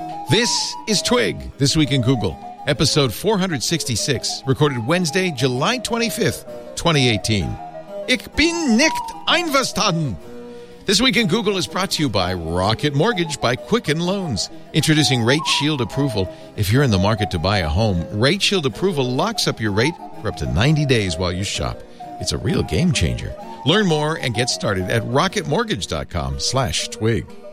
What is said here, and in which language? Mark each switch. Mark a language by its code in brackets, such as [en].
[en] This is Twig, This Week in Google, episode 466, recorded Wednesday, July 25th, 2018. [de] Ich bin nicht einverstanden. [en] This Week in Google is brought to you by Rocket Mortgage by Quicken Loans. Introducing Rate Shield Approval. If you're in the market to buy a home, Rate Shield Approval locks up your rate for up to 90 days while you shop. It's a real game changer. Learn more and get started at rocketmortgage.com/twig.